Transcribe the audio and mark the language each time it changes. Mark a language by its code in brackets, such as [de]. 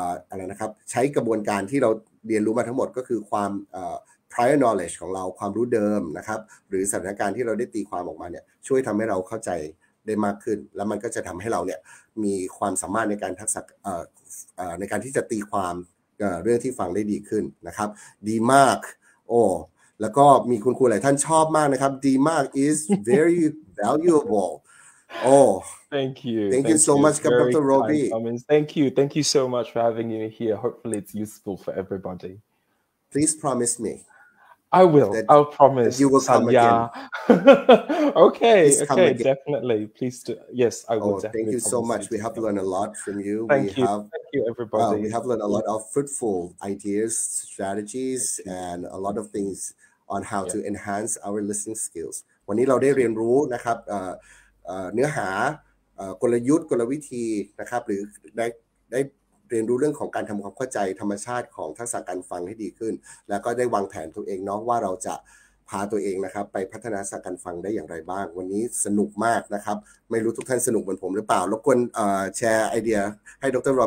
[th] อะไรนะครับใช้กระบวนการที่เราเรียนรู้มาทั้งหมดก็คือความprior knowledge ของเราความรู้เดิมนะครับหรือสถานการณ์ที่เราได้ตีความออกมาเนี่ยช่วยทำให้เราเข้าใจได้มากขึ้นแล้วมันก็จะทำให้เราเนี่ยมีความสามารถในการทักษะในการที่จะตีความเรื่องที่ฟังได้ดีขึ้นนะครับดีมากโอ้แล้วก็มีคุณครูหลายท่านชอบมากนะครับดีมาก [en] is very valuable [th] โอ้ [en] thank you so much ครับดร. Robbie thank you so much for having me here hopefully it's useful for everybody please promise me I will. I'll promise. You will come again. okay, definitely. Please do. Yes, I will. Oh, thank you so much. We have learned a lot from you. Thank you, everybody. We have learned a lot of fruitful ideas, strategies, and a lot of things on how to enhance our listening skills. [th] วันนี้เราได้เรียนรู้นะครับเนื้อหากลยุทธ์กลวิธีนะครับหรือได้เรียนรู้เรื่องของการทำความเข้าใจธรรมชาติของทักษะการฟังให้ดีขึ้นแล้วก็ได้วางแผนตัวเองเนาะว่าเราจะพาตัวเองนะครับไปพัฒนาทักษะการฟังได้อย่างไรบ้างวันนี้สนุกมากนะครับไม่รู้ทุกท่านสนุกเหมือนผมหรือเปล่ารบกวนแชร์ไอเดียให้ดร.